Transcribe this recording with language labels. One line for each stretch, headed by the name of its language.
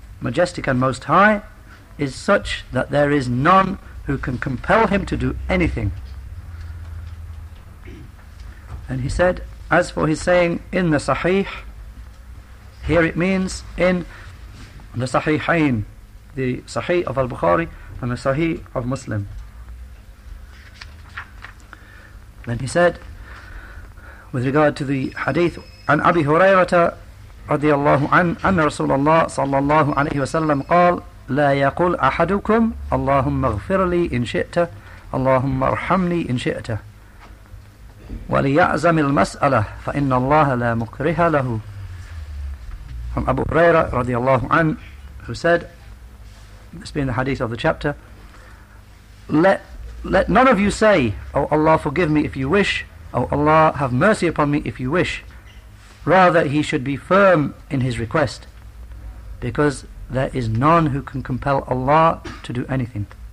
English: Majestic and Most High, is such that there is none who can compel him to do anything. And he said, as for his saying in the Sahih, here it means in the Sahihain, the Sahih of Al-Bukhari and the Sahih of Muslim. Then he said, with regard to the hadith,
Arabic: عن أبي هريرة رضي الله عنه أن رسول الله صلى الله عليه وسلم قال لا يقول أحدكم اللهم اغفر لي إن شئت اللهم ارحمني إن شئت وليعزم المسألة فإن الله لا مكره له.
English: From Abu Huraira رضي الله عنه, who said, this being the hadith of the chapter, let none of you say, O Allah, forgive me if you wish, O Allah, have mercy upon me if you wish. Rather, he should be firm in his request, because there is none who can compel Allah to do anything.